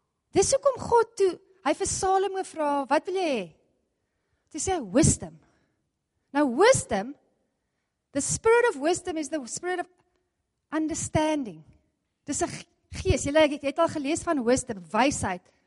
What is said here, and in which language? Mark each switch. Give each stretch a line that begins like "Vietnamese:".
Afrikaans: Dis hoekom God toe, hy vir Salomo vra, wat wil jy hê? Toe sê hy, wisdom.
English: Nou wisdom, the spirit of wisdom is the spirit of understanding.
Afrikaans: Dis 'n gees, jy het al gelees van wisdom, wysheid.